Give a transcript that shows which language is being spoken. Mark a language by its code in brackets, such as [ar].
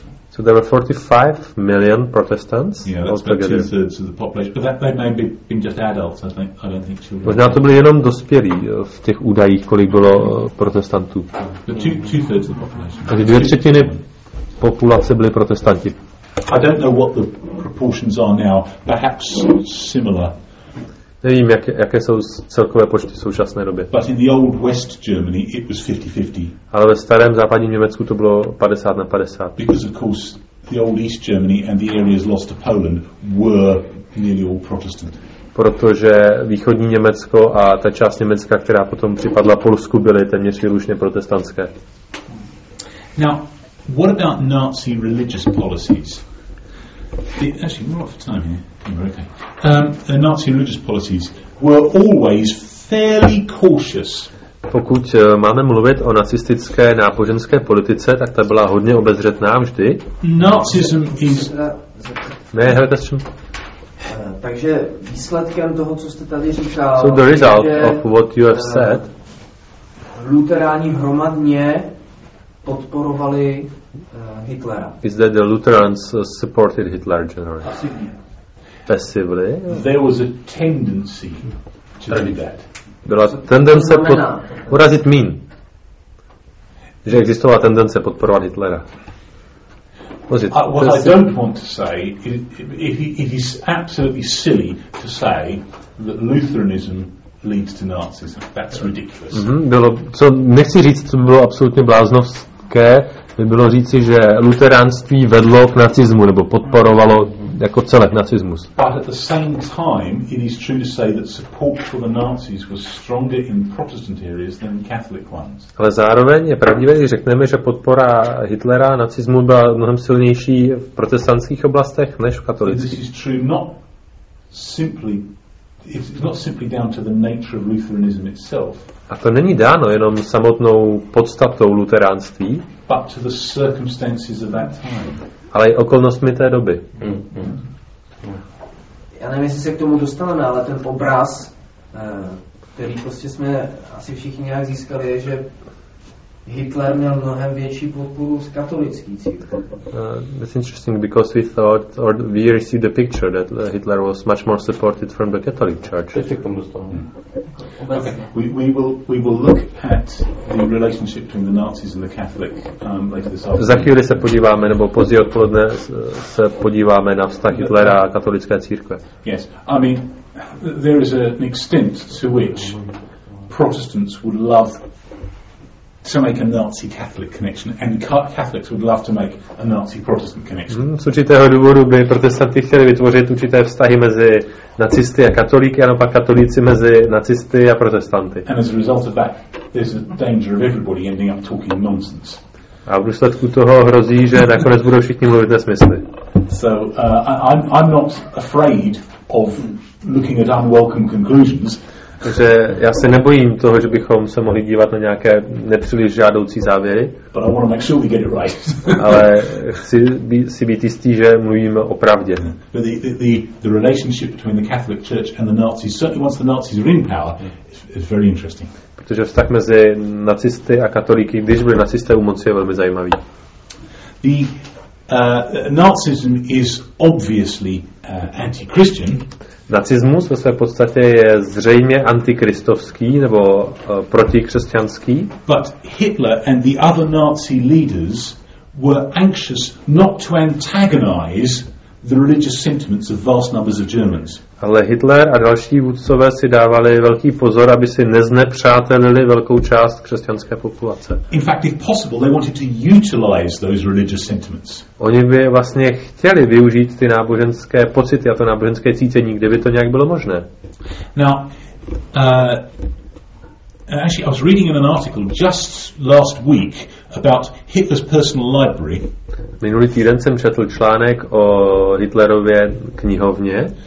[en] So there were 45 million Protestants. Yeah, that's about two-thirds of the population. But that they may have been just adults. I don't think children. [cs] Možná to byli jenom dospělí v těch údajích, kolik bylo protestantů. [en] The two-thirds of the population. [cs] Takže dvě třetiny populace byly protestanti. [en] I don't know what the proportions are now. Perhaps similar. [cs] Nevím, jaké jsou celkové počty v současné době. [en] But in the old West Germany it was 50-50. [cs] Ale ve starém západním Německu to bylo 50 na 50. [en] Because of course the old East Germany and the areas lost to Poland were nearly all Protestant. [cs] Protože východní Německo a ta část Německa, která potom připadla Polsku, byly téměř výlučně protestantské. [en] Now, what about Nazi religious policies? Actually, we're off time here. Okay. The Nazi religious policies were always fairly cautious. [cs] Pokud máme mluvit o nacistické náboženské politice, tak ta byla hodně obezřetná vždy. [en] Nazism is... [cs] Ne, hejte s čím. Takže výsledkem toho, co jste tady říkal... [en] So the result [cs] je, [en] of what you have said. [cs] Luteráni hromadně podporovali Hitlera. [en] Is that the Lutherans supported Hitler generally? Passively. There was a tendency to do that. [cs] Byla tendence urazit mín. Že existovala tendence podporovat Hitlera. [en] What I don't want to say, it is absolutely silly to say that Lutheranism leads to Nazism. That's ridiculous. [cs] Mm-hmm, bylo, co nechci říct, co by bylo absolutně bláznovské, by bylo říci, že luteránství vedlo k nacismu, nebo podporovalo jako celek nacismus. [en] But at the same time, it is true to say that support for the Nazis was stronger in Protestant areas than Catholic ones. [cs] Ale zároveň je pravdivé, když řekneme, že podpora Hitlera nacismu byla mnohem silnější v protestantských oblastech než v katolických. [en] This is true not simply, it's not simply down to the nature of Lutheranism itself. [cs] A to není dáno jenom samotnou podstatou luteránství, [en] but to the circumstances of that time. [cs] Ale i okolnostmi té doby. Já nevím, jestli se k tomu dostaneme, ale ten obraz, který prostě jsme asi všichni nějak získali, je, že Hitler měl mnohem větší podporu z katolický církve. [en] It's interesting because we thought, or we received a picture that Hitler was much more supported from the Catholic Church. [cs] Teď se k tomu dostaneme. [en] We will look at the relationship between the Nazis and the Catholic later this afternoon. [cs] Za chvíli se podíváme, nebo později odpoledne se podíváme na vztah Hitlera a katolické církve. [en] Yes, I mean, there is an extent to which Protestants would love to make a Nazi Catholic connection, and Catholics would love to make a Nazi Protestant connection. [cs] Z určitého důvodu by protestanti chtěli vytvořit určité vztahy mezi nacisty a katolíky, a naopak katolíci mezi nacisty a protestanty. [en] And as a result of that, there's a danger of everybody ending up talking nonsense. [cs] A v důsledku toho hrozí, že nakonec budou všichni mluvit nesmysly. [en] So I'm not afraid of looking at unwelcome conclusions. [cs] Takže já se nebojím toho, že bychom se mohli dívat na nějaké nepříliš žádoucí závěry. [en] But I want to make sure we get it right. [cs] Ale chci si být jistý, že mluvíme o pravdě. [en] The relationship between the Catholic Church and the Nazis, certainly once the Nazis are in power, is very interesting. [cs] Protože vztah mezi nacisty a katolíky, když byli nacisté u moci, je velmi zajímavý. [en] The Nazism is obviously anti-Christian. [cs] Nacismus ve své podstatě je zřejmě antikristovský nebo protikřesťanský. [en] But Hitler and the other Nazi leaders were anxious not to antagonize the religious sentiments of vast numbers of Germans. [cs] Ale Hitler a další vůdcové si dávali velký pozor, aby si neznepřátelili velkou část křesťanské populace. [en] In fact, if possible, they wanted to utilize those religious sentiments. [cs] Oni by vlastně chtěli využít ty náboženské pocity a to náboženské cítění, kdyby to nějak bylo možné. [en] Now, actually, I was reading in an article just last week about Hitler's personal library. [cs] Minulý týden jsem četl článek o Hitlerově knihovně.